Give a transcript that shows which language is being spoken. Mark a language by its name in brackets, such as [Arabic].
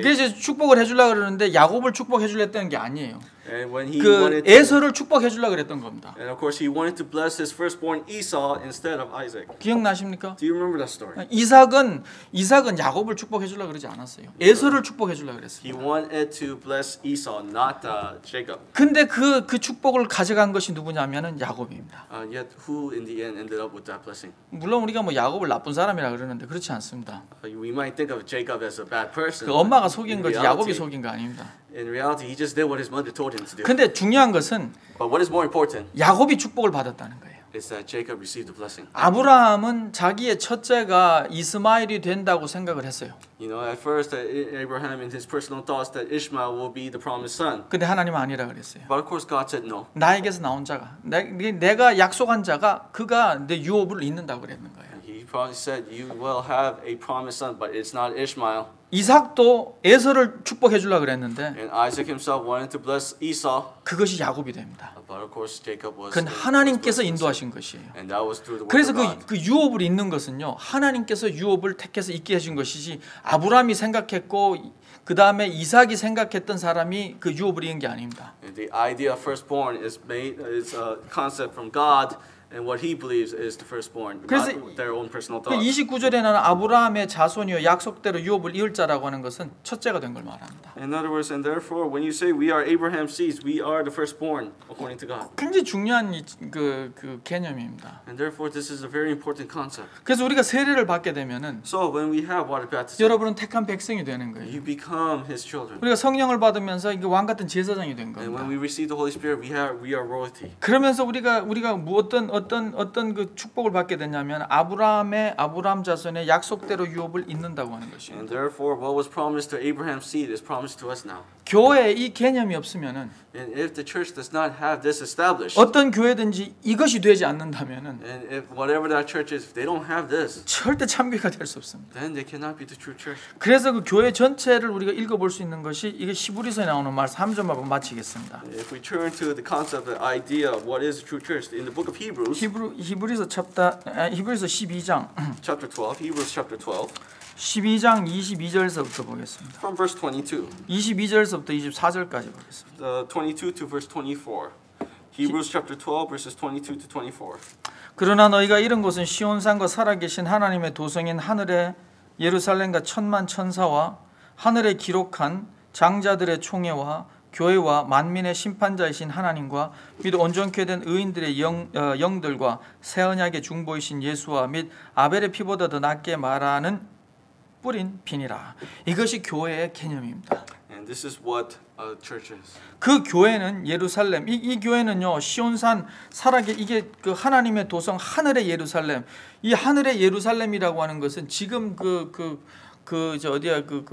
[Korean] 이게 이제 축복을 해주려고 그러는데 야곱을 축복해주려는 게 아니에요. [English] And when he 그 wanted to, [Korean] 에서를 축복해주려고 그랬던 겁니다. [English] And of course he wanted to bless his firstborn Esau instead of Isaac. [Korean] 기억나십니까? [English] Do you remember that story? [Korean] 이삭은 야곱을 축복해주려고 그러지 않았어요. 에서를 축복해주려고 그랬어요. [English] He wanted to bless Esau, not Jacob. [Korean] 근데 그 축복을 가져간 것이 누구냐면은 야곱입니다. [English] Yet who in the end ended up with that blessing? [Korean] 물론 우리가 뭐 야곱을 나쁜 사람이라 그러는데 그렇지 않습니다. [English] We might think of Jacob as a bad person. [Korean] 그 엄마가 속인 거지 야곱이 속인 거 아닙니다. [English] In reality, he just did what his mother told him to do. [Korean] 근데 중요한 것은 [English] But what is more important? [Korean] 야곱이 축복을 받았다는 거예요. [English] Is that Jacob received the blessing? [Korean] 아브라함은 자기의 첫째가 이스마엘이 된다고 생각을 했어요. [English] You know, at first Abraham, in his personal thoughts, that Ishmael will be the promised son. [Korean] 근데 하나님은 아니라 그랬어요. [English] But of course, God said no. [Korean] 나에게서 나온 자가 내가 약속한 자가 그가 내 유업을 잇는다고 그랬는 거예요. [English] He probably said, "You will have a promised son, but it's not Ishmael." [Korean] 이삭도 에서를 축복해 주려고 그랬는데 [English] And Isaac himself wanted to bless Esau. [Korean] 그것이 야곱이 됩니다. [English] But of course Jacob was [Korean] 그건 하나님께서 인도하신 것이에요. [English] And that was through the [Korean] 그래서 그 유업을 잇는 것은요. 하나님께서 유업을 택해서 잇게 하신 것이지 아브라함이 생각했고 그다음에 이삭이 생각했던 사람이 그 유업을 잇은 게 아닙니다. [English] And the idea of firstborn is a concept from God. And what he believes is the firstborn, not their own personal thoughts. [Korean] 29절에 나는 아브라함의 자손이요 약속대로 유업을 이을 자라고 하는 것은 첫째가 된 걸 말합니다. [English] In other words, and therefore, when you say we are Abraham's seeds, we are the firstborn according to God. [Korean] 굉장히 중요한 그 개념입니다. [English] And therefore, this is a very important concept. [Korean] 그래서 우리가 세례를 받게 되면은 [English] So when we have water baptism, [Korean] 여러분은 택한 백성이 되는 거예요. [English] You become His children. [Korean] 우리가 성령을 받으면서 이게 왕 같은 제사장이 된 겁니다. [English] And when we receive the Holy Spirit, we are royalty. [Korean] 그러면서 우리가 어떤 그 축복을 받게 되냐면 아브라함 자손의 약속대로 유업을 잇는다고 하는 것입니다. [English] And therefore, what was promised to Abraham's seed is promised to us now. [Korean] 교회 이 개념이 없으면은 [English] And if the church does not have this established, [Korean] 어떤 교회든지 이것이 되지 않는다면은 [English] And if whatever that church is, if they don't have this, [Korean] 절대 참교회가 될 수 없습니다. [English] Then they cannot be the true church. [Korean] 그래서 그 교회 전체를 우리가 읽어볼 수 있는 것이 이게 히브리서에 나오는 말 3절 한번 마치겠습니다. [English] If we turn to the concept, the idea of what is true church in the book of Hebrews. [Korean] 히브리서 히브리서 12장 [English] chapter 12 Hebrews chapter 12 [Korean] 12장 22절서부터 보겠습니다. [English] From verse 22. [Korean] 22절서부터 24절까지 보겠습니다. [English] The 22 to verse 24. Hebrews chapter 12 verses 22 to 24. [Korean] 그러나 너희가 이런 것은 시온산과 살아계신 하나님의 도성인 하늘의 예루살렘과 천만 천사와 하늘에 기록한 장자들의 총회와 교회와 만민의 심판자이신 하나님과 및 온전케 된 의인들의 영들과 새 언약의 중보이신 예수와 및 아벨의 피보다 더 낫게 말하는 뿌린 비니라. 이것이 교회의 개념입니다. [English] And this is what a church is. [Korean] 그 교회는 예루살렘. 이 교회는요. 시온산 살아계 이게 그 하나님의 도성 하늘의 예루살렘. 이 하늘의 예루살렘이라고 하는 것은 지금 그 저 어디야